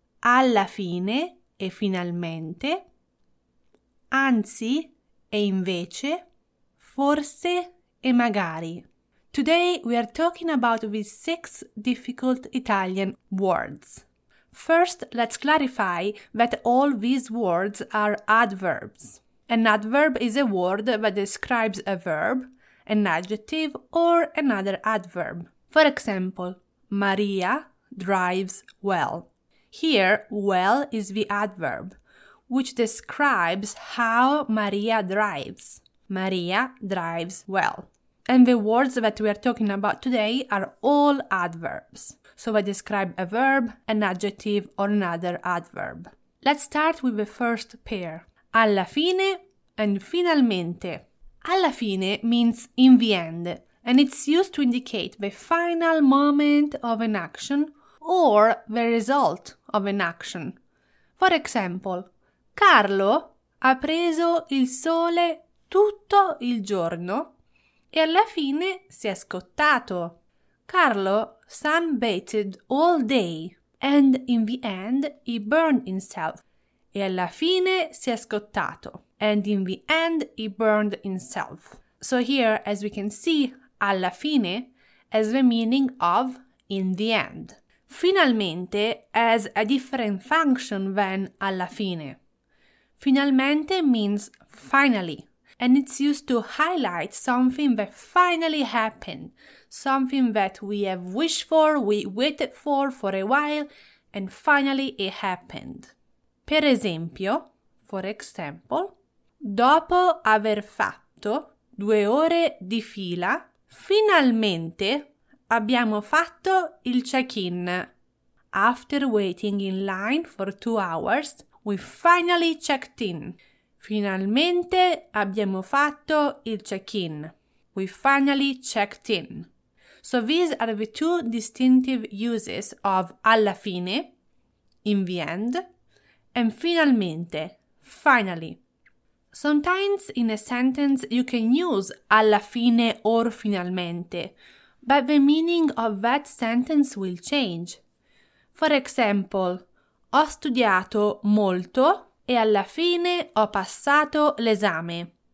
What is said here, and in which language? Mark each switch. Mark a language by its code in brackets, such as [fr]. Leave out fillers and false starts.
[it] Alla fine e finalmente, anzi e invece, forse e magari. [en] Today we are talking about these six difficult Italian words. First, let's clarify that all these words are adverbs. An adverb is a word that describes a verb, an adjective, or another adverb. For example, Maria drives well. Here, well is the adverb, which describes how Maria drives. Maria drives well. And the words that we are talking about today are all adverbs. So they describe a verb, an adjective, or another adverb. Let's start with the first pair. Alla fine and finalmente. Alla fine means in the end, and it's used to indicate the final moment of an action or the result of an action. [it] For example, Carlo ha preso il sole tutto il giorno e alla fine si è scottato. [en] Carlo sunbathed all day and in the end he burned himself. [it] E alla fine si è scottato. [en] And in the end, he burned himself. So here, as we can see, alla fine has the meaning of in the end. Finalmente has a different function than alla fine. Finalmente means finally, and it's used to highlight something that finally happened, something that we have wished for, we waited for a while, and finally it happened. [it] Per esempio, [en] for example, [it] dopo aver fatto 2 ore di fila, finalmente abbiamo fatto il check-in. [en] After waiting in line for 2 hours, we finally checked in. [it] Finalmente abbiamo fatto il check-in. [en] We finally checked in. So these are the two distinctive uses of alla fine, in the end, and finalmente, finally. Sometimes in a sentence you can use alla fine or finalmente, but the meaning of that sentence will change. For example, [it] ho studiato molto e alla fine ho passato l'esame.